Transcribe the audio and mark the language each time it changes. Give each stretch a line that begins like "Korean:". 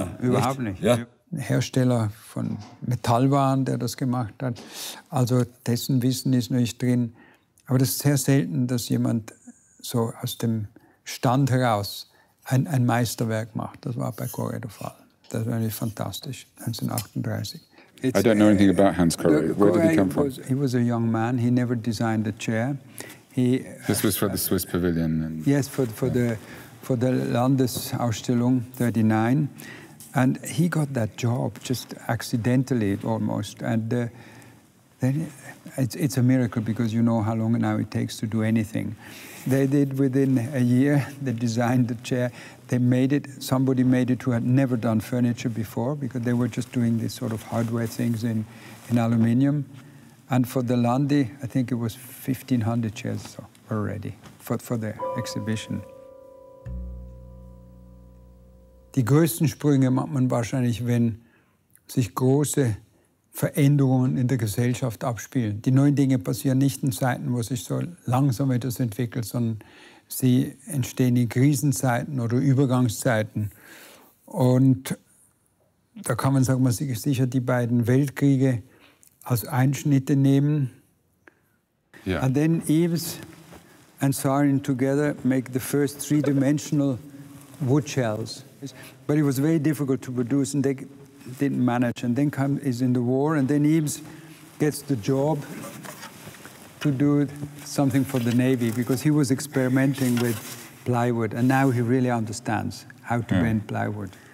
German: Ahnung, überhaupt nicht. Ja. Hersteller von Metallwaren, der das gemacht hat. Also dessen Wissen ist nicht drin. Aber das ist sehr selten, dass jemand so aus dem Stand heraus ein Meisterwerk macht. Das war bei Correa der Fall. Das war nämlich fantastisch, 1938.
English: It's, I don't know anything about Hans Correa. Where did he come from? He was a young man. He never designed a chair. This was for the Swiss Pavilion. And, yes, for the Landesausstellung 39. And he got that job just accidentally almost. And it's a miracle because you know how long now it takes to do anything. They did within a year, they designed the chair. They made it, somebody made it who had never done furniture before because they were just doing these sort of hardware things in aluminium. And for the Landi, I think it was 1,500 chairs already for the exhibition.
German: Die größten Sprünge macht man wahrscheinlich, wenn sich große Veränderungen in der Gesellschaft abspielen. Die neuen Dinge passieren nicht in Zeiten, wo sich so langsam etwas entwickelt, sondern sie entstehen in Krisenzeiten oder Übergangszeiten. Und da kann man, sagen wir, sicher die beiden Weltkriege als Einschnitte nehmen.
English: Yeah. And then Eves and Sarin together make the first three-dimensional wood shells. But it was very difficult to produce and they didn't manage. And then is in the war and then Eves gets the job to do something for the Navy because he was experimenting with plywood and now he really understands how to bend plywood.